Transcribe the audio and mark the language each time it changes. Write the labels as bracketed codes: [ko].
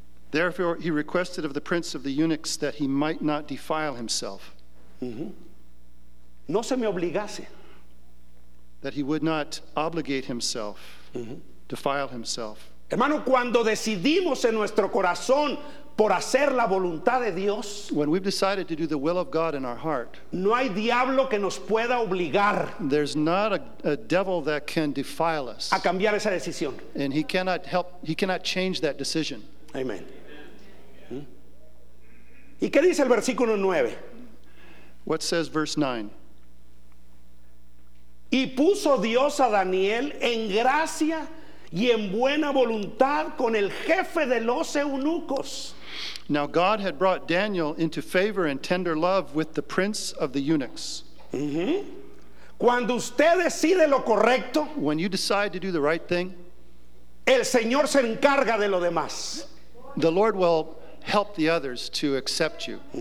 [en] Therefore he requested of the prince of the eunuchs that he might not defile himself. [es] No se me obligase. [en] That he would not obligate himself, defile himself. [es] Hermano, cuando decidimos en nuestro corazón por hacer la voluntad de Dios, [en] when we've decided to do the will of God in our heart, [es] no hay diablo que nos pueda obligar. [en] There's not a devil that can defile us. [es] A cambiar esa decisión. [en] And he cannot help, he cannot change that decision. Amen. [es] ¿Y qué dice el versículo 9? [en] What says verse 9? [es] Y puso Dios a Daniel en gracia y en buena voluntad con el jefe de los eunucos. [en] Now God had brought Daniel into favor and tender love with the prince of the eunuchs. [es] Cuando usted decide lo correcto, [en] when you decide to do the right thing, [es] el Señor se encarga de lo demás. [en] The Lord will help the others to accept you.